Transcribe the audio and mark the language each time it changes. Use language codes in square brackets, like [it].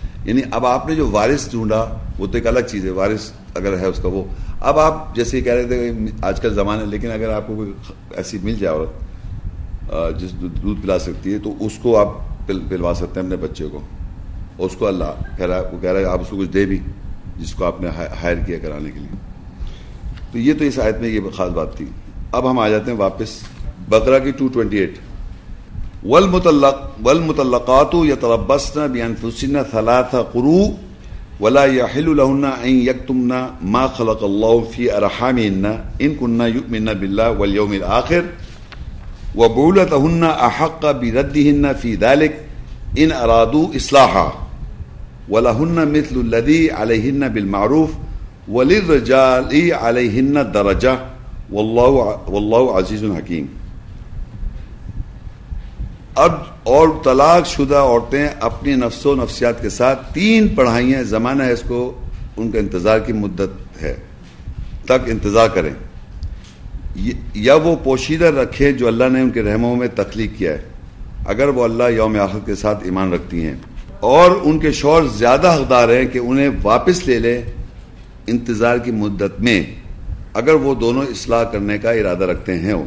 [ur] یعنی اب آپ نے جو وارث ڈھونڈا وہ تو ایک الگ چیز ہے, وارث اگر ہے اس کا وہ, اب آپ جیسے کہہ رہے تھے آج کل زمانہ, لیکن اگر آپ کو کوئی ایسی مل جائے عورت جس دودھ پلا سکتی ہے تو اس کو آپ پلوا سکتے ہیں اپنے بچے کو, اس کو اللہ کہہ رہا ہے, وہ کہہ رہا ہے آپ اس کو کچھ دے بھی جس کو آپ نے ہائر کیا کرانے کے لیے. تو یہ تو اس آیت میں یہ خاص بات تھی. اب ہم آ جاتے ہیں واپس بقرہ کی 228, [ar] والمطلقات يتربصن بانفسهن ثلاث قروء ولا يحل لهن ان يكتمن ما خلق الله في ارحامهن ان كن يؤمن بالله واليوم الاخر وبعولتهن احق بردهن في ذلك ان ارادوا اصلاحا ولهن مثل الذي عليهن بالمعروف وللرجال عليهن درجه والله عزيز حكيم. [ur] اب اور طلاق شدہ عورتیں اپنی نفس و نفسیات کے ساتھ تین پڑھائیاں, زمانہ ہے اس کو ان کا انتظار کی مدت ہے تک انتظار کریں, یا وہ پوشیدہ رکھیں جو اللہ نے ان کے رحموں میں تخلیق کیا ہے اگر وہ اللہ یوم آخر کے ساتھ ایمان رکھتی ہیں, اور ان کے شوہر زیادہ حقدار ہیں کہ انہیں واپس لے لیں انتظار کی مدت میں اگر وہ دونوں اصلاح کرنے کا ارادہ رکھتے ہیں.